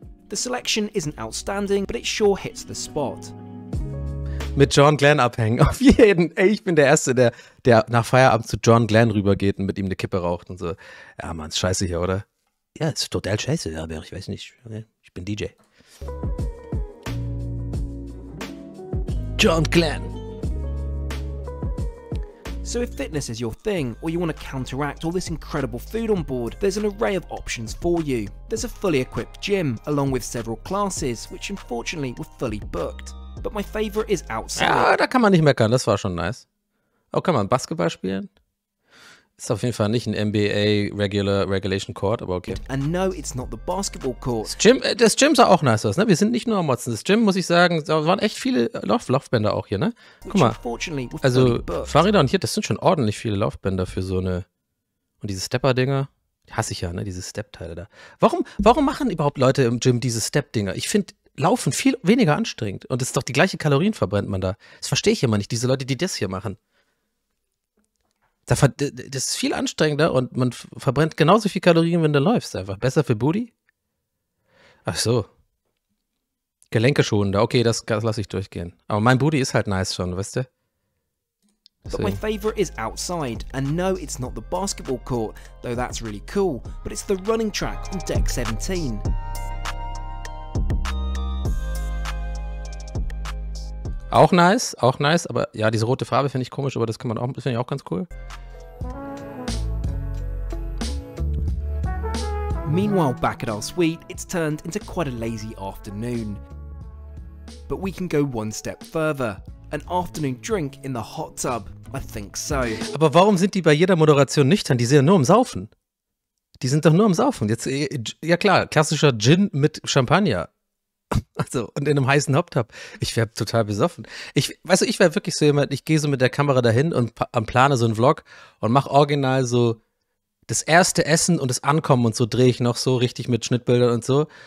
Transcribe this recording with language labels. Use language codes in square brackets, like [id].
[en] The selection isn't outstanding, but it sure hits the spot. [de] Mit John Glenn abhängen, auf jeden. Ey, ich bin der Erste, der nach Feierabend zu John Glenn rübergeht und mit ihm eine Kippe raucht und so. Ja, Mann, ist scheiße hier, oder? Ja, ist total scheiße, aber ich weiß nicht. Ich bin DJ. John Glenn. [en] So if fitness is your thing, or you want to counteract all this incredible food on board, there's an array of options for you. There's a fully equipped gym, along with several classes, which unfortunately were fully booked. But my favorite is outside. [de] Ja, da kann man nicht meckern, das war schon nice. Oh, kann man Basketball spielen? Ist auf jeden Fall nicht ein NBA Regular Regulation Court, aber okay. [en] And no, it's not the basketball court. [de] Das Gym sah auch nice aus, ne? Wir sind nicht nur am Motzen. Das Gym, muss ich sagen, da waren echt viele Laufbänder auch hier, ne? Guck mal, also Fahrräder und hier, das sind schon ordentlich viele Laufbänder für so eine... Und diese Stepper-Dinger, die hasse ich ja, ne? Diese Step-Teile da. Warum machen überhaupt Leute im Gym diese Step-Dinger? Ich finde Laufen viel weniger anstrengend. Und es ist doch die gleiche Kalorien verbrennt man da. Das verstehe ich immer nicht, diese Leute, die das hier machen. Das ist viel anstrengender und man verbrennt genauso viel Kalorien, wenn du läufst. Einfach besser für Booty? Ach so. Gelenke schonender. Okay, das lasse ich durchgehen. Aber mein Booty ist halt nice schon, weißt du? [en] But my favorite is outside. And no, it's not the basketball court, though that's really cool. But it's the running track on Deck 17. [de] Auch nice, aber ja, diese rote Farbe finde ich komisch, aber das kann man auch, finde ich auch ganz cool. [en] Meanwhile, back at our suite, it's turned into quite a lazy afternoon. But we can go one step further. An afternoon drink in the hot tub, I think so. [de] Aber warum sind die bei jeder Moderation nüchtern? Die sind ja nur am Saufen. Die sind doch nur am Saufen. Jetzt, ja klar, klassischer Gin mit Champagner. Also, und in einem heißen Hot-Tub. Ich wäre total besoffen. Ich wäre wirklich so jemand, ich gehe so mit der Kamera dahin und plane so einen Vlog und mache original so das erste Essen und das Ankommen und so drehe ich noch so richtig mit Schnittbildern und so.